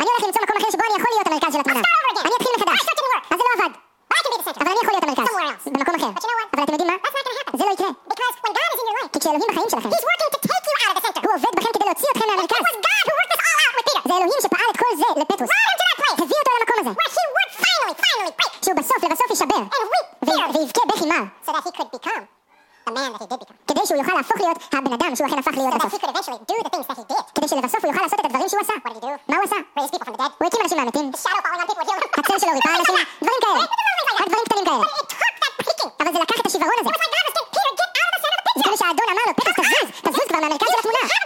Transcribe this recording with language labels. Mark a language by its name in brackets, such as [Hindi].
[Hebrew] אני הולך למצוא מקום אחר שבו אני יכול להיות המרכז של התמונה. אני אתחיל מחדש. [English] That's not going to work. [Hebrew] אז זה לא עבד. אבל אני יכול להיות המרכז. [English] Somewhere else. [Hebrew] במקום אחר. [English] But you know what? [Hebrew] אבל אתם יודעים מה? [English] That's not gonna happen. [Hebrew] זה לא יקרה. [English] Because when God is in your life, [Hebrew] כי כשאלוהים בחיים שלכם, [English] He's working to take you out of the center. [Hebrew] הוא עובד בכם כדי להוציא אתכם מהמרכז. [English] It was God who worked this all out with Peter. [Hebrew] זה אלוהים שפעל את כל זה לפטרוס. [English] Brought him to that place. [Hebrew] הביא אותו למקום הזה. [English] Where he would finally break. [Hebrew] שהוא בסוף לבסוף יישבר. [English] And weep bitterly. [Hebrew] ויבכה בכי מר. [English] So that he could become the man that he did become. [Hebrew] כדי שהוא יוכל להפוך להיות הבן אדם שהוא אכן הפך להיות. [English] So that he could eventually do the things that he did. [Hebrew] כדי שלבסוף הוא יוכל לעשות את הדברים שהוא עשה. [English] What did he do? [Hebrew] מה הוא עשה? [English] Raise people from the dead. [Hebrew] הוא הקים אנשים מהמתים. [English] The shadow falling on people healed. [Hebrew] הצל שלו ריפא אנשים. דברים כאלה. דברים קטנים כאלה. [English] But it took that picking. [Hebrew] אבל זה לקח את השברון הזה. [English] It was like God was saying, Peter, get out of the center of the picture. [Hebrew] זה כמו שהאדון אמר לו, פטרוס, תזוז. תזוז כבר מהמרכז של התמונה.